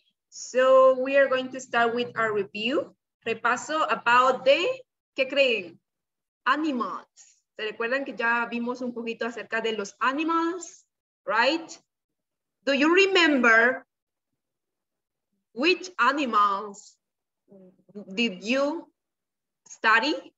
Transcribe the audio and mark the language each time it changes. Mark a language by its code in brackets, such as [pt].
[en] So we are going to start with our review. [es] Repaso about the, ¿qué creen? Animals. ¿Se recuerdan que ya vimos un poquito acerca de los animals? [en] Right? Do you remember which animals did you study?